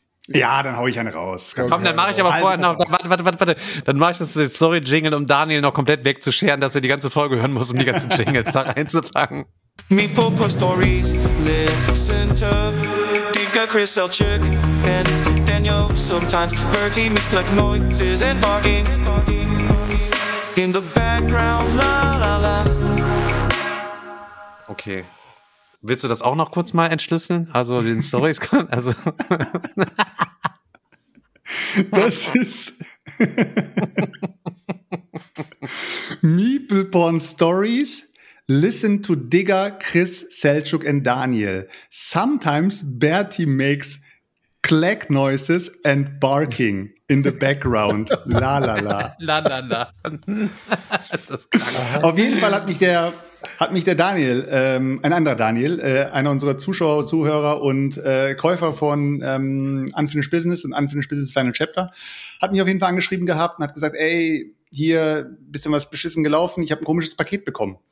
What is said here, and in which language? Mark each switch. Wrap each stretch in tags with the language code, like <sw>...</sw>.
<de>Ja, dann hau ich eine raus. Okay. Komm, dann mache ich aber vorher noch. Warte. Dann mache ich das Story-Jingle, um Daniel noch komplett wegzuscheren, dass er die ganze Folge hören muss, um die ganzen Jingles da reinzupacken.</de> <en>Meepopo Stories, listen to Dika Chris Selçuk and Daniel. Sometimes Bertie makes like noises and barking. In the background, la la la. Okay.</en> <de>Willst du das auch noch kurz mal entschlüsseln? Also, den Storys kann. Also. Das ist.</de> <en>Meepleporn Stories. Listen to Digger, Chris, Selçuk and Daniel. Sometimes Bertie makes clack noises and barking in the background. La la la. La la la.</en> <de>Das ist krank. Auf jeden Fall hat mich der Daniel, ein anderer Daniel, einer unserer Zuschauer, Zuhörer und Käufer von Unfinished Business und Unfinished Business Final Chapter, hat mich auf jeden Fall angeschrieben gehabt und hat gesagt, ey, hier bisschen was beschissen gelaufen, ich habe ein komisches Paket bekommen.</de>